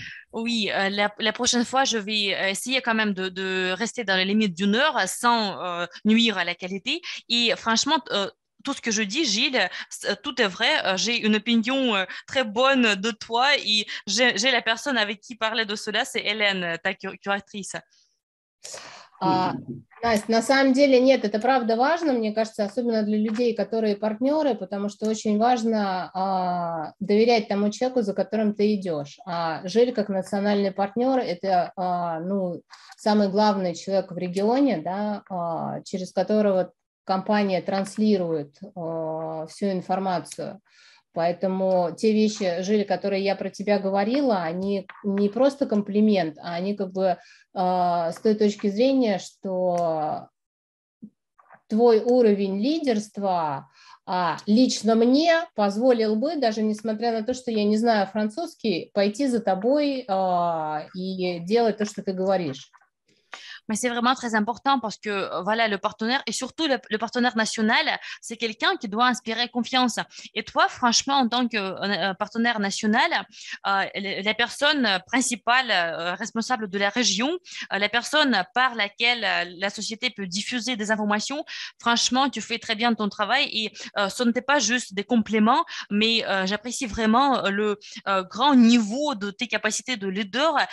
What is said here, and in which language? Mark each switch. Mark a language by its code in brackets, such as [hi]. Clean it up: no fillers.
[fr] Oui, la prochaine fois, je vais essayer quand même de rester dans les limites d'une heure sans nuire à la qualité. Et franchement, tout ce que je dis, Жили, tout est vrai. J'ai une opinion très bonne de toi et j'ai la personne avec qui parler de cela, c'est Hélène, ta curatrice. [ru] Настя, на самом деле нет, это правда важно, мне кажется, особенно для людей, которые партнеры, потому что очень важно доверять тому человеку, за которым ты идешь. А Жиль как национальный партнер – это ну, самый главный человек в регионе, да, через которого компания транслирует всю информацию. Поэтому те вещи, Жили, которые я про тебя говорила, они не просто комплимент, а они как бы с той точки зрения, что твой уровень лидерства лично мне позволил бы, даже несмотря на то, что я не знаю французский, пойти за тобой и делать то, что ты говоришь. [fr] Mais c'est vraiment très important parce que voilà, le partenaire, et surtout le partenaire national, c'est quelqu'un qui doit inspirer confiance. Et toi, franchement, en tant que partenaire national, la personne principale responsable de la région, la personne par laquelle la société peut diffuser des informations, franchement, tu fais très bien ton travail et ce n'était pas juste des compliments, mais j'apprécie vraiment le grand niveau de tes capacités de leader.